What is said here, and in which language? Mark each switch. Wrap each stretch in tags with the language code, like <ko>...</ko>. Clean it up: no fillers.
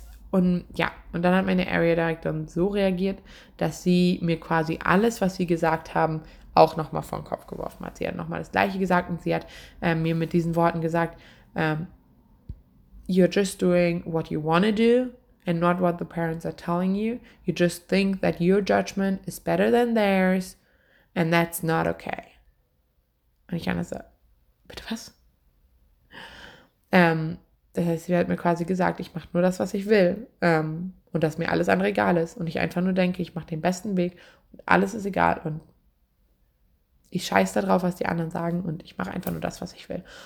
<de>Und dann hat meine Area Directorin so reagiert, dass sie mir quasi alles, was sie gesagt haben, auch nochmal vor den Kopf geworfen hat. Sie hat nochmal das Gleiche gesagt und sie hat mir mit diesen Worten gesagt,</de> <en>you're just doing what you want to do and not what the parents are telling you. You just think that your judgment is better than theirs and that's not okay.</en> <de>Und ich habe so, bitte was? Das heißt, sie hat mir quasi gesagt, ich mache nur das, was ich will und dass mir alles andere egal ist und ich einfach nur denke, ich mache den besten Weg und alles ist egal und ich scheiße darauf, was die anderen sagen und ich mache einfach nur das, was ich will.</de>